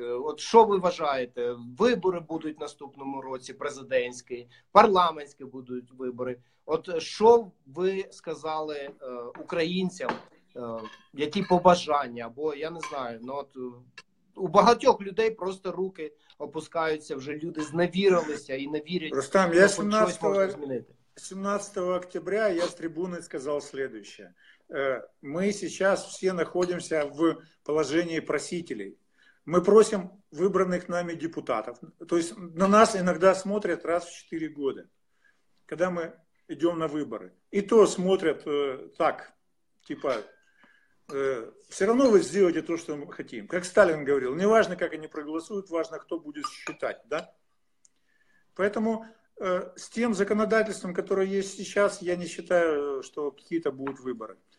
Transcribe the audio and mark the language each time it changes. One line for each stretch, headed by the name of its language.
Ukrainian: От що ви вважаєте? Вибори будуть в наступному році, президентські, парламентські будуть вибори. От що ви сказали українцям? Які побажання, або я не знаю, ну от у багатьох людей просто руки опускаються, вже люди зневірилися і не вірять. Рустам, я 17 октября я з трибуни сказав следующее. Ми зараз всі знаходимося в положенні просителей. Ми просимо вибраних нами депутатів. Тобто на нас іноді дивляться раз в 4 роки, коли ми йдемо на вибори. І то дивляться так, типа,
Russian: все равно вы сделаете то, что мы хотим. Как Сталин говорил, не важно, как они проголосуют, важно, кто будет считать, да? Поэтому с тем законодательством, которое есть сейчас, я не считаю, что какие-то будут выборы.